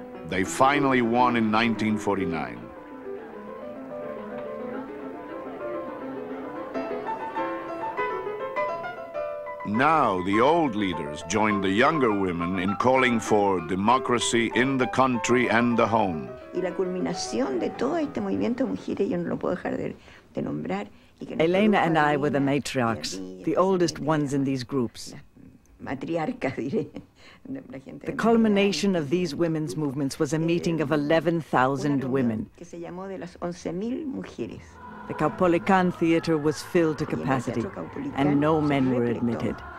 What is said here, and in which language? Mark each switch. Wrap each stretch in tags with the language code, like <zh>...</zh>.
<en>They finally won in 1949. Now the old leaders joined the younger women in calling for democracy in the country and the home.</en> <es>Y la culminación de todo este movimiento mujeres, yo no lo puedo dejar de nombrar.</es> <en>Elena and I were the matriarchs, the oldest ones in these groups. The culmination of these women's movements was a meeting of 11,000 women. The Caupolicán Theater was filled to capacity, and no men were admitted.</en>